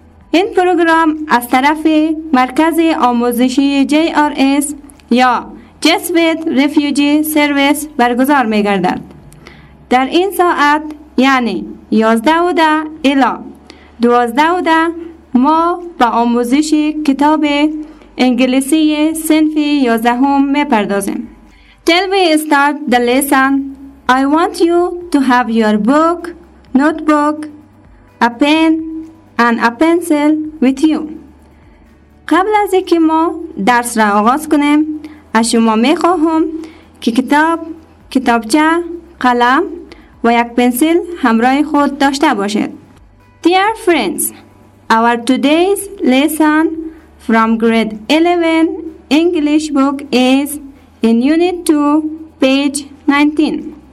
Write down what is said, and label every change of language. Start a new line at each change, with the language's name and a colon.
Persian: این پروگرام از طرف مرکز آموزشی JRS یا Jesuit Refugee Service برگزار میگردد. در این ساعت یعنی 11:10 الی 12:10 ما با آموزش کتاب انگلیسی صنف 11 هم میپردازیم.
English: Till we start the lesson, I want you to have your book, notebook, a pen and a pencil with you.
Persian: قبل از اینکه ما درس را آغاز کنیم از شما میخواهم که کتاب، کتابچه، قلم و یک پنسل همراه خود داشته باشید.
English: Dear friends, our today's lesson from grade 11 English book is in unit 2, page 19.